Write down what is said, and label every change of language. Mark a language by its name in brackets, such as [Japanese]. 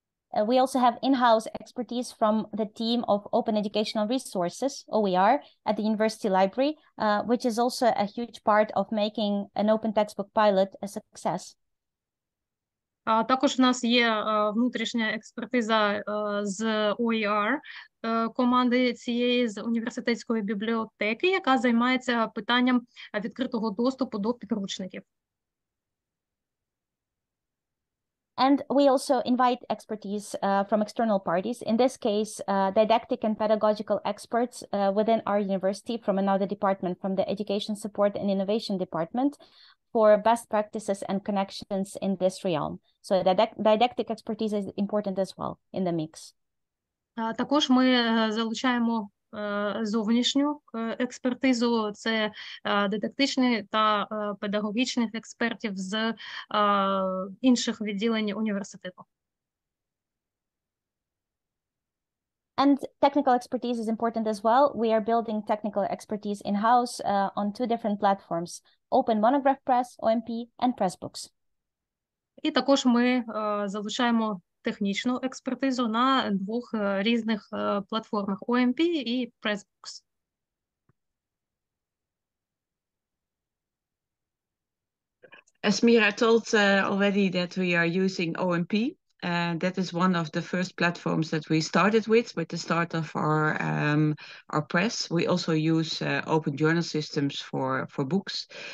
[English] We also have in-house expertise from the team of Open Educational Resources, OER, at the University Library, which is also a huge part of making an open textbook pilot a success. [Ukrainian] Також у нас є внутрішня експертиза з OER, команди цієї з університетської бібліотеки, яка займається питанням відкритого доступу до підручників. [English] And we also invite expertise from external parties, in this case, didactic and pedagogical experts within our university from another department, from the Education Support and Innovation Department, for best practices and connections in this realm. So didactic expertise is important as well in the mix. [Ukrainian] Також ми залучаємо зовнішню експертизу, це дидактичні та педагогічних експертів з інших відділень університету. [English] And technical expertise is important as well. We are building technical expertise in-house on two different platforms: Open Monograph Press, OMP, and Pressbooks. [Ukrainian] І також ми залучаємо технічну експертизу на двох різних платформах OMP і Pressbooks. [English] As Mira told already that we are using OMP, that is one of the first platforms that we started with the start of our press. We also use open journal systems for books.